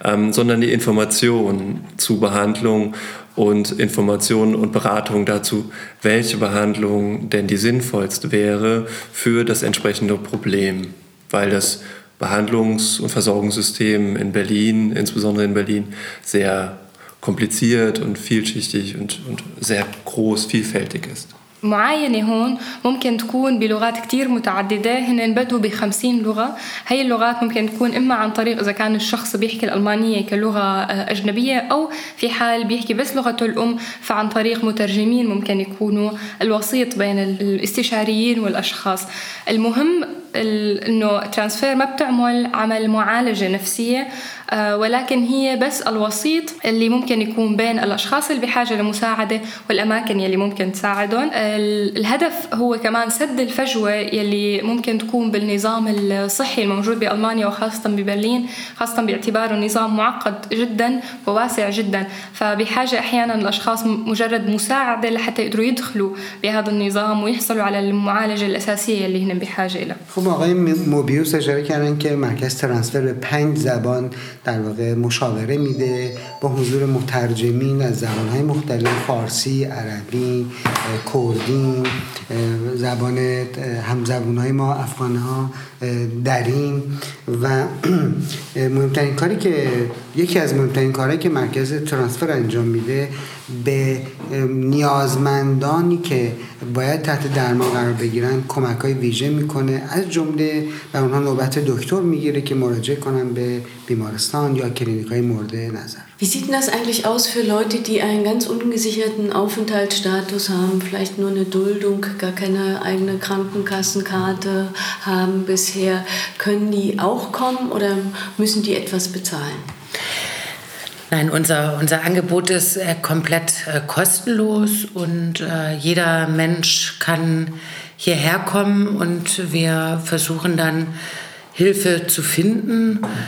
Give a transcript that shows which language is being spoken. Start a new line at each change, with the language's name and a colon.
German: sondern die Information zu Behandlung und Informationen und Beratung dazu, welche Behandlung denn die sinnvollste wäre für das entsprechende Problem, weil das Behandlungs- und Versorgungssystem in Berlin, insbesondere in Berlin, sehr kompliziert und vielschichtig und sehr groß, vielfältig ist.
Arabic: معينة هون ممكن تكون بلغات كتير متعددة، هن بدوا بخمسين لغة. هاي اللغات ممكن تكون إما عن طريق إذا كان الشخص بيحكي الألمانية كلغة أجنبية، أو في حال بيحكي بس لغته الأم فعن طريق مترجمين ممكن يكونوا الوسيط بين الاستشاريين والأشخاص. المهم إنه ترانسفير ما بتعمل عمل معالجة نفسية، ولكن هي بس الوسيط اللي ممكن يكون بين الأشخاص اللي بحاجة لمساعدة والأماكن يلي ممكن تساعدهم. الهدف هو كمان سد الفجوة يلي ممكن تكون بالنظام الصحي الموجود بألمانيا وخاصة ببرلين، خاصة باعتباره نظام معقد جدا وواسع جدا، فبحاجة أحيانا الأشخاص مجرد مساعدة لحتى يقدروا يدخلوا بهذا النظام ويحصلوا على المعالجة الأساسية اللي هنا بحاجة إلى.
Persian: خب آقای موبیوس اشاره کردن که مرکز ترانسفر به 5 زبان در واقع مشاوره میده با حضور مترجمین از زبانهای مختلف، فارسی، عربی، کردی، زبان همزبانهای ما افغانها، دریم. و مهمترین کاری که یکی از مهمترین کاری که مرکز ترانسفر انجام میده به نیازمندانی که باید تحت درمان قرار بگیرن کمک‌های ویژه میکنه، از جمله به اونها نوبت دکتر میگیره که مراجعه کنن به بیمارستان یا کلینیک‌های مورد نظر.
German: Wie sieht das eigentlich aus für Leute, die einen ganz ungesicherten Aufenthaltsstatus haben, vielleicht nur eine Duldung, gar keine eigene Krankenkassenkarte haben bisher? Können die auch kommen oder müssen die etwas bezahlen? Nein, unser Angebot ist komplett kostenlos und jeder Mensch kann hierher kommen und wir versuchen dann Hilfe zu finden.